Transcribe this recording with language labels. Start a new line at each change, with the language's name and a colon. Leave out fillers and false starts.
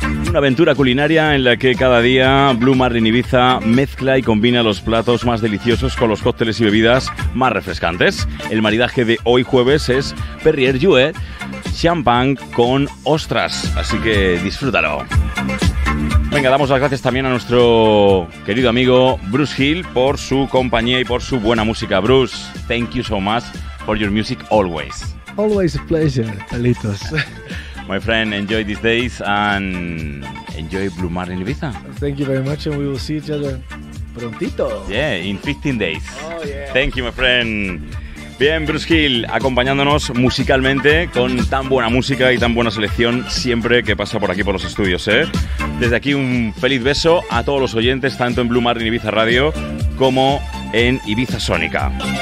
Spanish: Una aventura culinaria en la que cada día Blue Marlin Ibiza mezcla y combina los platos más deliciosos con los cócteles y bebidas más refrescantes. El maridaje de hoy jueves es Perrierjouet champán con ostras, así que disfrútalo. Venga, damos las gracias también a nuestro querido amigo Bruce Hill por su compañía y por su buena música.
English: Bruce, thank you so much for your music always. Always a pleasure, Alitos. My friend, enjoy these days and enjoy Blue Mar in Ibiza. Thank you very much and we will see each other prontito. Yeah, in 15 days. Oh, yeah. Thank you, my friend.
Spanish: Bien, Bruce Hill, acompañándonos musicalmente con tan buena música y tan buena selección siempre que pasa por aquí por los estudios, ¿eh? Desde aquí un feliz beso a todos los oyentes, tanto en Blue Marlin Ibiza Radio como en Ibiza Sónica.